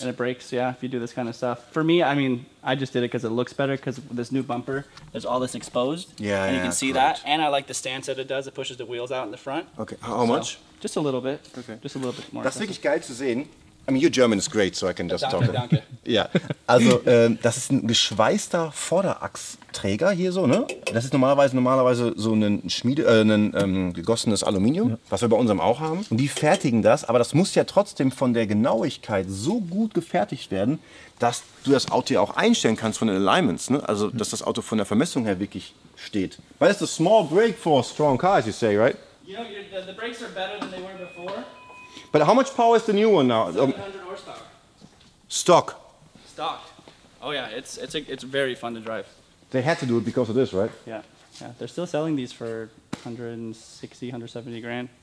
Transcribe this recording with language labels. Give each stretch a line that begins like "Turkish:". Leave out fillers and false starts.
English: And it breaks, yeah, if you do this kind of stuff. For me, I mean, I just did it because it looks better because this new bumper, there's all this exposed. Yeah, and yeah, you can see correct. That. And I like the stance that it does. It pushes the wheels out in the front. Okay, how much? Just a little bit. Okay. Just a little bit more.
German: Das ist wirklich geil zu sehen.
English: I mean, your German is great, so I can just
German: danke,
English: talk.
German: Danke, danke. Ja, also das ist ein geschweißter Vorderachsträger hier so, ne? Das ist normalerweise so ein gegossenes Aluminium, ja. Was wir bei unserem auch haben. Und die fertigen das, aber das muss ja trotzdem von der Genauigkeit so gut gefertigt werden, dass du das Auto ja auch einstellen kannst von den Alignments, ne? Also, dass das Auto von der Vermessung her wirklich steht. Weil es ist
English: a small brake for a strong car, as you say, right? You know, the brakes are better than they were before. But how much power is the new one now? 700 horsepower. Stock. Stocked. Oh yeah, it's very fun to drive. They had to do it because of this, right? Yeah. Yeah. They're still selling these for 160, 170 grand.